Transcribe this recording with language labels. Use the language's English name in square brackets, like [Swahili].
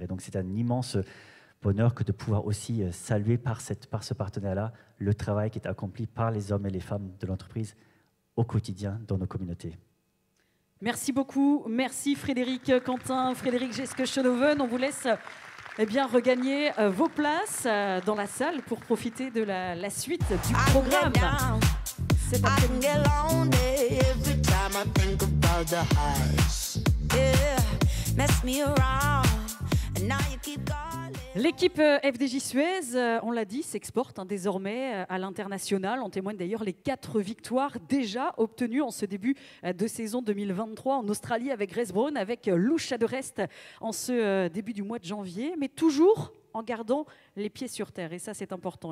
[French] Et donc c'est un immense bonheur que de pouvoir aussi saluer par ce partenaire-là le travail qui est accompli par les hommes et les femmes de l'entreprise au quotidien dans nos communautés. Merci beaucoup. Merci Frédéric Quentin, Frédéric Jeske-Schoenhoven. On vous laisse regagner vos places dans la salle pour profiter de la suite du programme. [English] I can get lonely every time I think about the highs. Yeah, mess me around, and now you keep going. [French] L'équipe FDJ Suez, on l'a dit, s'exporte désormais à l'international. On témoigne d'ailleurs les 4 victoires déjà obtenues en ce début de saison 2023 en Australie avec Grace Brown, avec Lucia de Rest en ce début du mois de janvier, mais toujours en gardant les pieds sur terre. Et ça, c'est important.